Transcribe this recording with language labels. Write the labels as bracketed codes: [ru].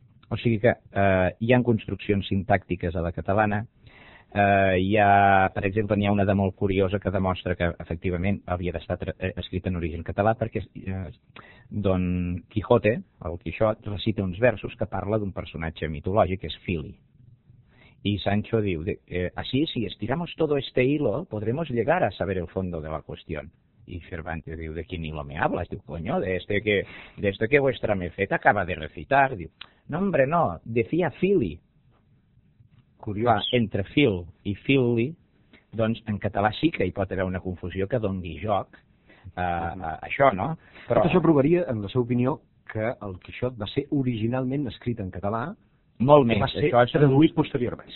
[ca] O sigui que hi ha construccions sintàctiques a la catalana. Per exemple, n'hi ha una de molt curiosa que demostra que efectivament havia d'estar escrita en origen català, perquè Don Quijote, el Quixot, recita uns versos que parla d'un personatge mitològic, que és Fili. I Sancho diu: [es] así, si estiramos todo este hilo, podremos llegar a saber el fondo de la cuestión. [ca] I Cervantes diu: [es] de quin hilo me hablas? Diu: coño, de este que vuestra mefeta acaba de recitar. Diu: no, hombre, no, decía Fili. [ca] Curiós. Va, entre Fil i Fili, doncs en català sí que hi pot haver una confusió que doni joc això, no? Però tot això provaria, en la seva opinió, que el Quixot va ser originalment escrit en català. Molt més. Va ser això traduït posteriorment.